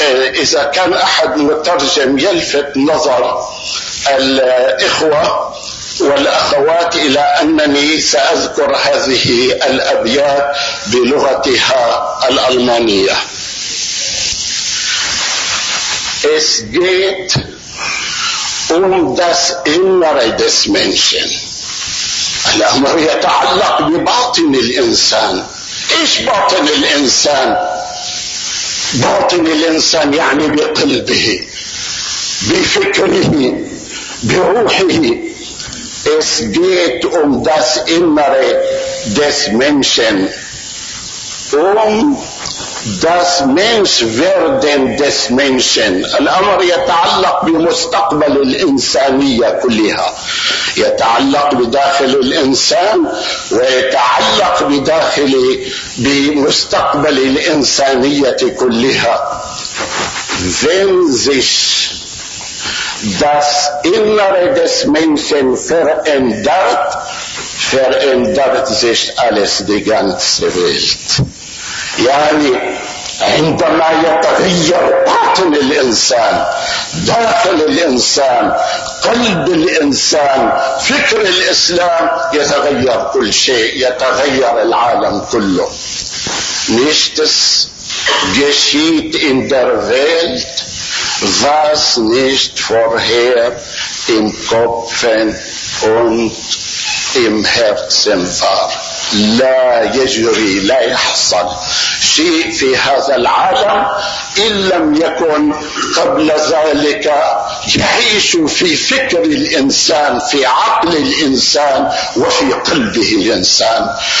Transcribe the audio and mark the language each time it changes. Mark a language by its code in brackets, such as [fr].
[ar] إذا كان أحد مترجم يلفت نظر الإخوة والأخوات إلى أنني سأذكر هذه الأبيات بلغتها الألمانية. [de] Es geht um das Innere des Menschen. [ar] الأمر يتعلق بباطن الإنسان. إيش باطن الإنسان؟ باطن الإنسان يعني بقلبه، بفكره، بروحه. [de] Es geht um das Innere des Menschen. Um das Menschwerden des Menschen. [ar] الأمر يتعلق بمستقبل الإنسانية كلها. يتعلق بداخل الإنسان ويتعلق بداخل بمستقبل الإنسانية كلها. [de] Wenn sich das Innere des Menschen verändert, verändert sich alles, die ganze Welt. [ar] يعني عندما يتغير باطن الإنسان، داخل الإنسان، قلب الإنسان، فكر الإسلام، يتغير كل شيء، يتغير العالم كله. [de] Nichts geschieht in der Welt, was nicht vorher im Kopf und im Herzen war. [ar] لا يجري، لا يحصل شيء في هذا العالم إن لم يكن قبل ذلك يعيش في فكر الإنسان، في عقل الإنسان، وفي قلبه الإنسان.